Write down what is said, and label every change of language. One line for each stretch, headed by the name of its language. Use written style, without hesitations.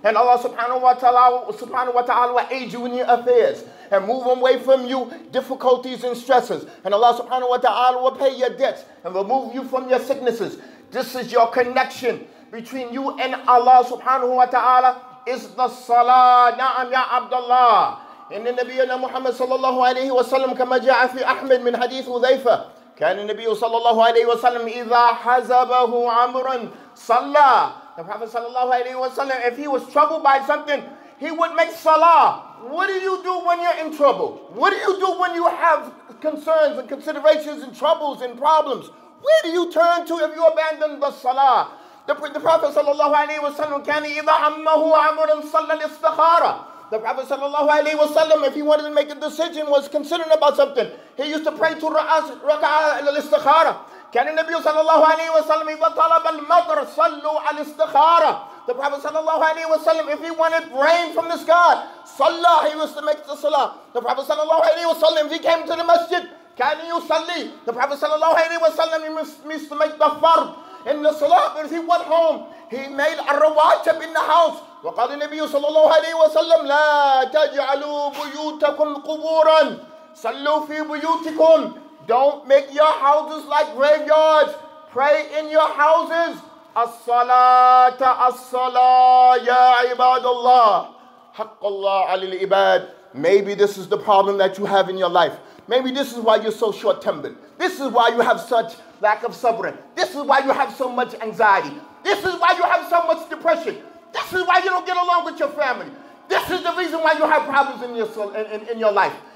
English: And Allah subhanahu wa ta'ala will aid you in your affairs. And move away from you difficulties and stresses. And Allah subhanahu wa ta'ala will pay your debts. And remove you from your sicknesses. This is your connection between you and Allah subhanahu wa ta'ala. Is the salah. Na'am ya Abdullah.
Arabic: إن النبي محمد صلى الله عليه وسلم كما جاء في أحمد من حديث حذيفة كان النبي صلى الله عليه وسلم إذا حزبه عمرا صلى.
English: The Prophet
Arabic: صلى الله عليه وسلم,
English: if he was troubled by something, he would make salah. What do you do when you're in trouble? What do you do when you have concerns and considerations and troubles and problems? Where do you turn to if you abandon the salah? The Prophet
Arabic: صلى الله عليه وسلم كان إذا همه عمرا صلى الاستخارة.
English: The Prophet sallallahu alayhi wa sallam, if he wanted to make a decision, was considering about something, he used to pray to raka'a al-istikhara. Can the Nabi sallallahu alayhi wa sallam, if he talab al-madr, sallu al-istikhara. The Prophet sallallahu alayhi wa sallam, if he wanted rain from the sky, salla, he used to make the salah. The Prophet sallallahu alayhi wa sallam, if he came to the masjid, can you salli? The Prophet sallallahu alayhi wa sallam, he used to make the fard in the salah. But if he went home, he made ar-rawatib in the house.
Arabic: وقال النبي صلى الله عليه وسلم لا تجعلوا بيوتكم قبورا صلوا في بيوتكم.
English: Don't make your houses like graveyards. Pray in your houses.
Arabic: الصلاة الصلاة يا عباد الله حق الله على العباد.
English: Maybe this is the problem that you have in your life. Maybe this is why you're so short-tempered. This is why you have such lack of sabr. This is why you have so much anxiety. This is why you have so much depression. This is why you don't get along with your family. This is the reason why you have problems in your life.